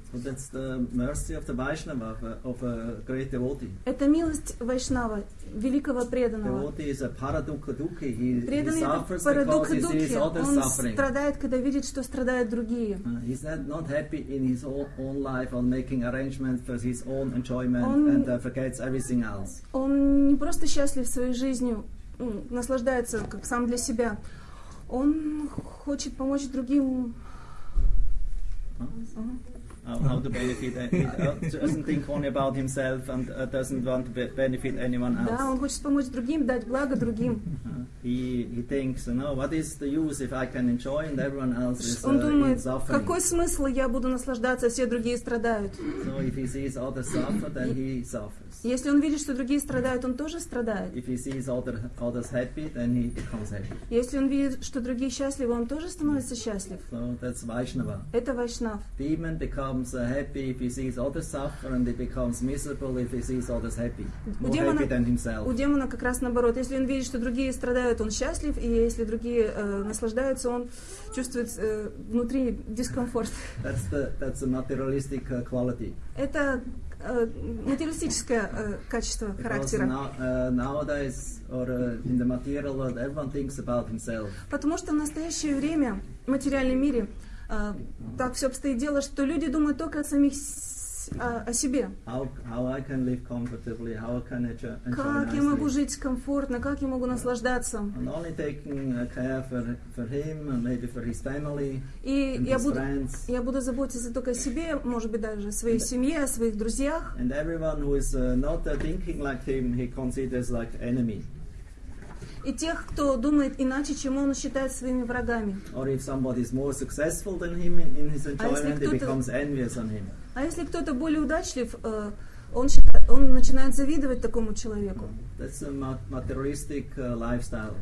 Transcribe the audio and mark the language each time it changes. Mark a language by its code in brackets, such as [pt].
[en] So that's the mercy of the Vaishnava, of a great devotee. [ru] Это милость Вайшнава, великого преданного. [en] Devotee is a paradukha dukhi. [ru] Преданный парадукха духи. Он страдает, когда видит, что страдают другие. [en] He's not happy in his own life on making arrangements for his own enjoyment and forgets everything else. [ru] Он не просто счастлив своей жизнью, наслаждается как сам для себя. Он хочет помочь другим. [en] How to benefit? He doesn't think only about himself and doesn't want to benefit anyone else. [ru] Да, он хочет помочь другим, дать благо другим. [en] He thinks, you know, what is the use if I can enjoy and everyone else is suffering? [ru] Он думает, какой смысл я буду наслаждаться, все другие страдают? [en] So if he sees others suffer, then he suffers. [ru] Если он видит, что другие страдают, он тоже страдает. [en] If he sees others happy, then he becomes happy. [ru] Если он видит, что другие счастливы, он тоже становится счастлив. [en] So that's Vaishnava. [ru] Это Вайшнав. [en] Demon becomes happy if he sees others suffer, and he becomes miserable if he sees others happy. More happy than himself. [ru] У демона как раз наоборот. Если он видит, что другие страдают, он счастлив, и если другие наслаждаются, он чувствует внутри дискомфорт. [en] That's a materialistic quality. [ru] Это материалистическое качество характера. [en] Nowadays, or in the material world, everyone thinks about himself. [ru] Потому что в настоящее время в материальном мире так все обстоит дело, что люди думают только о самих о себе. [en] How I can live comfortably, how can I enjoy nicely. [ru] Как я могу жить комфортно, как я могу наслаждаться? [en] And only taking care for him, maybe for his family, [ru] и [en] and his friends. [ru] Я буду заботиться только о себе, может быть, даже о своей семье, о своих друзьях. [en] And everyone who is not thinking like him, he considers like enemy. [ru] И тех, кто думает иначе, чем он, считает своими врагами. [en] Or if somebody is more successful than him in his enjoyment, he becomes envious on him. [ru] А если кто-то более удачлив, он считает, он начинает завидовать такому человеку. [en] That's a materialistic lifestyle.